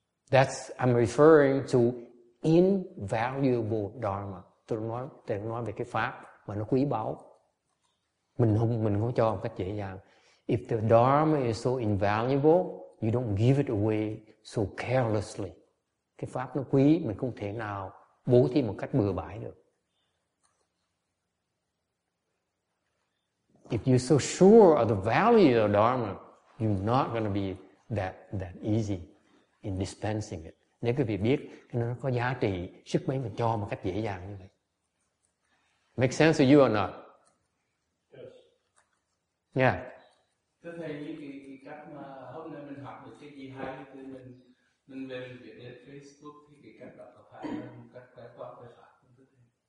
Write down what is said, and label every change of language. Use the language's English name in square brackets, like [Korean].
[English] I'm referring to invaluable Dharma. [Vietnamese] Tôi nói về cái pháp mà nó quý báu. Mình không cho một cách dễ dàng. [English] If the Dharma is so invaluable, you don't give it away so carelessly. [Vietnamese] Cái pháp nó quý, mình không thể nào bố thí một cách bừa bãi được. [English] If you're so sure of the value of the Dharma, you're not going to be that easy in dispensing it. [Vietnamese] Nếu quý vị biết nó có giá trị, sức mấy mình cho một cách dễ dàng như vậy. [English] Make sense to you or not? Yes. Yeah. [Vietnamese] Thưa thầy, như cái cách mà hôm nay mình học được cái gì hay thì mình về mình viết lên Facebook, thì cái cách đó có phải là một cách giải thoát về pháp không thưa thầy?